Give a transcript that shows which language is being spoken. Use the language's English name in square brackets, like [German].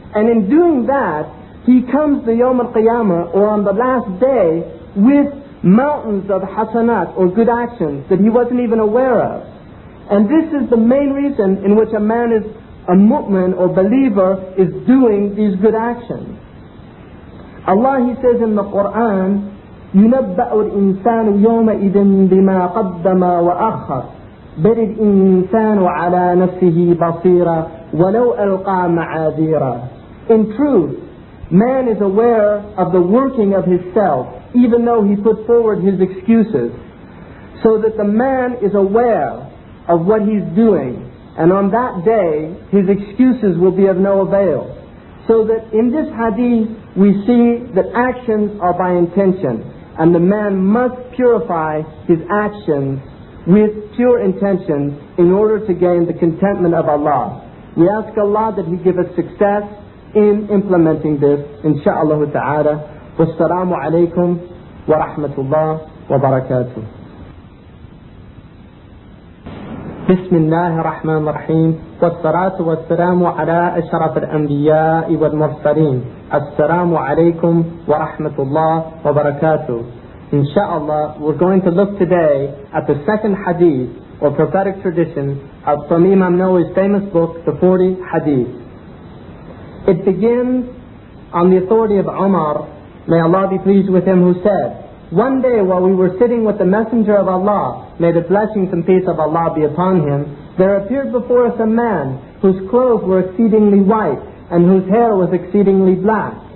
[English] And in doing that, he comes the Yawm al-Qiyamah, or on the last day, with mountains of hasanat, or good actions, that he wasn't even aware of. And this is the main reason in which a man is a mu'min or believer is doing these good actions. Allah, He says in the Qur'an, [Arabic] يُنَبَّأُ الْإِنسَانُ يَوْمَئِذٍ بِمَا قَدَّمَ وَأَخَّرَ بَلِ الْإِنسَانُ عَلَى نَفْسِهِ بَصِيرًا وَلَوْ أَلْقَى مَعَاذِيرًا. [English] In truth, man is aware of the working of his self, even though he put forward his excuses. So that the man is aware of what he's doing, and on that day his excuses will be of no avail. So that in this hadith we see that actions are by intention, and the man must purify his actions with pure intention in order to gain the contentment of Allah. We ask Allah that He give us success in implementing this, insha'Allah ta'ala. Wassalamu alaykum wa rahmatullah wa barakatuh. [Arabic] بسم الله الرحمن الرحيم والصلاة والسلام على أشرف الأنبياء والمرسلين السلام عليكم ورحمة الله وبركاته. [English] Inshallah, we're going to look today at the second hadith or prophetic tradition of from Imam Nawawi's famous book, The 40 Hadith. It begins on the authority of Umar, may Allah be pleased with him, who said, One day while we were sitting with the Messenger of Allah, may the blessings and peace of Allah be upon him, there appeared before us a man whose clothes were exceedingly white and whose hair was exceedingly black.